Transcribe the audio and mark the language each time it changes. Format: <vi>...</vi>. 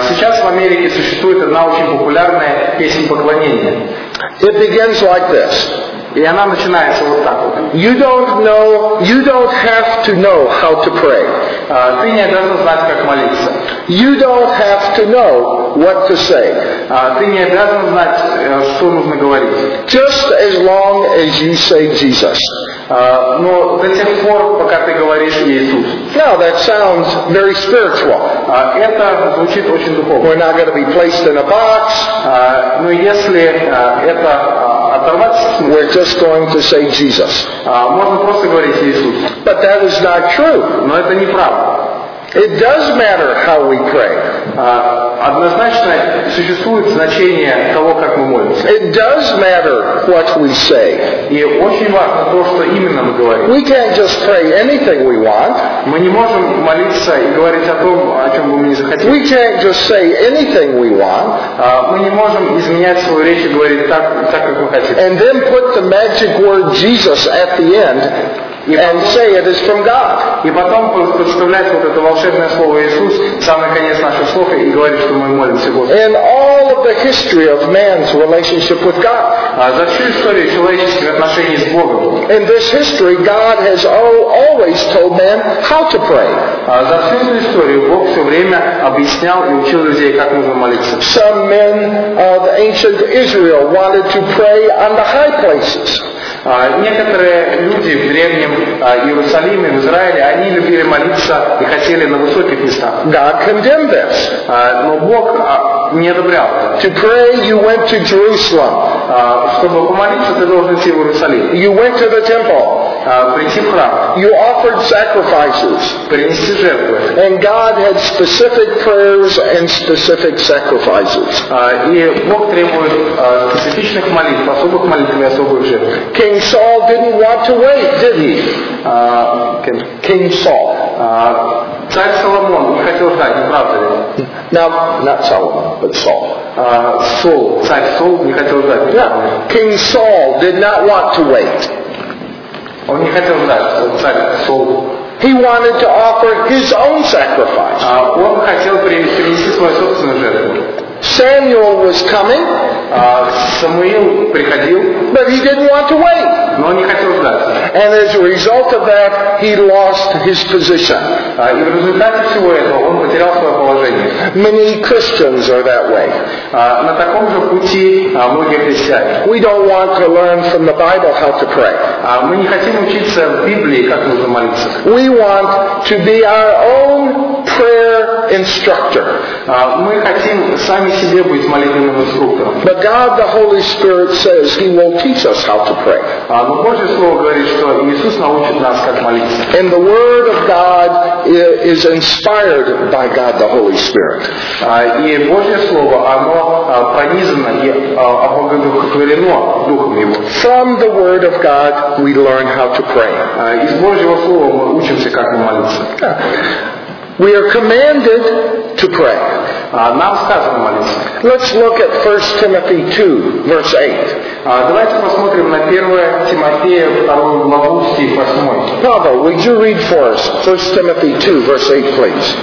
<ru>Сейчас в Америке существует одна очень популярная песня поклонения.</ru> <en>It begins like this.</en> <ru>И она начинается вот так вот.</ru> <en>You don't have to know how to pray.</en> <ru>Ты не должен знать, как молиться.</ru> <en>You don't have to know what to say.</en> <ru>Ты не должен знать, что нужно говорить.</ru> <en>Just as long as you say Jesus.</en> <ru>Но до тех пор, пока ты говоришь Иисус.</ru> <en>Now that sounds very spiritual.</en> <ru>Это звучит очень духовно.</ru> <en>We're not going to be placed in a box.</en> <ru>Но если это</ru> <en>we're just going to say Jesus.</en> <ru>Можно просто говорить Иисус.</ru> <en>But that is not true.</en> <ru>Но это неправда.</ru> <en>It does matter how we pray.</en> <ru>Однозначно существует значение того, как мы молимся.</ru> <en>It does matter what we say.</en> <ru>И очень важно то, что именно мы говорим.</ru> <en>We can't just pray anything we want.</en> <ru>Мы не можем молиться и говорить о том, о чем бы мы не захотели.</ru> <en>We can't just say anything we want.</en> <ru>Мы не можем изменять свою речь и говорить так, как мы хотим.</ru> <en>And then put the magic word Jesus at the end. And say it is from God.</en> <ru>И потом подставлять вот это волшебное слово Иисус в самый конец наших слов и говорить, что мы молимся Богу.</ru> <en>And all of the history of man's relationship with God.</en> <ru>За всю историю человеческих отношений с Богом.</ru> <en>In this history, God has always told man how to pray.</en> <ru>За всю эту историю Бог все время объяснял и учил людей, как нужно молиться.</ru> <en>Some men of ancient Israel wanted to pray on the high places.</en> <ru>Некоторые люди в древнем Иерусалиме, в Израиле, они любили молиться и хотели на высоких местах.</ru> <en>God condemned this.</en> <ru>Но Бог не одобрял.</ru> <en>To pray, you went to Jerusalem.</en> <ru>Чтобы помолиться, ты должен идти в Иерусалим.</ru> <en>You went to the temple.</en> <ru>Прийти в храм.</ru> <en>You offered sacrifices.</en> <ru>Принести жертвы.</ru> <en>And God had specific prayers and specific sacrifices.</en> <ru>И Бог требует специфичных молитв, особых молитв и особых жертв.</ru> <en>King Saul didn't want to wait, did he? King Saul.</en> <ru>Царь Соломон не хотел ждать, не правда ли?</ru> <en>No, not Solomon, but Saul.</en> <ru>Saul, царь Saul не хотел ждать.</ru> <en>Yeah. King Saul did not want to wait.</en> <ru>Он не хотел ждать, царь Saul.</ru> <en>He wanted to offer his own sacrifice.</en> <ru>Он хотел принести свою собственную жертву.</ru> <en>Samuel was coming.</en> <ru>Самуил приходил.</ru> <en>But he didn't want to wait.</en> <ru>Но он не хотел ждать.</ru> <en>And as a result of that, he lost his position.</en> <ru>И в результате всего этого он потерял свое положение.</ru> <en>Many Christians are that way.</en> <ru>На таком же пути многие христиане.</ru> <en>We don't want to learn from the Bible how to pray.</en> <ru>Мы не хотим учиться в Библии, как нужно молиться.</ru> <en>We want to be our own prayer instructor.</en> <ru>Мы хотим сами себе быть молитвенным инструктором.</ru> <en>But God, the Holy Spirit, says He will teach us how to pray.</en> <ru>Но Божье слово говорит, что Иисус научит нас, как молиться.</ru> <en>And the Word of God is inspired by God, the Holy Spirit.</en> <ru>И Божье слово, оно пронизано и обогащено Духом Его.</ru> <en>From the Word of God, we learn how to pray.</en> <ru>Из Божьего слова мы учимся, как молиться.</ru> <en>We are commanded to pray.</en> <ru>нам скажем молиться.</ru> <en>Let's look at 1 Timothy 2, verse 8.</en> <ru>Давайте посмотрим на 1 Тимофея 2 главу стих 8.</ru> <en>Павел, would you read for us 1 Timothy 2, verse 8, please?</en>